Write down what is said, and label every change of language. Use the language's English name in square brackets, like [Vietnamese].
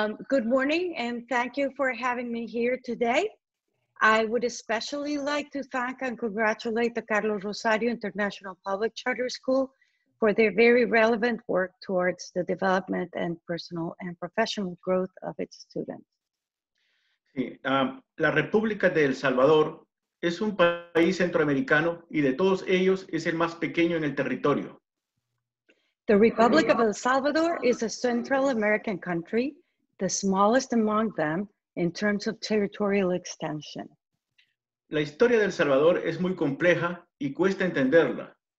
[English] Good morning, and thank you for having me here today. I would especially like to thank and congratulate the Carlos Rosario International Public Charter School for their very relevant work towards the development and personal and professional growth of its students. [Spanish] Sí, la República de El Salvador es un país centroamericano y de todos ellos es el más pequeño en el territorio. [English] The Republic of El Salvador is a Central American country, the smallest among them in terms of territorial extension. [Spanish] La historia de El Salvador es muy compleja y cuesta entenderla.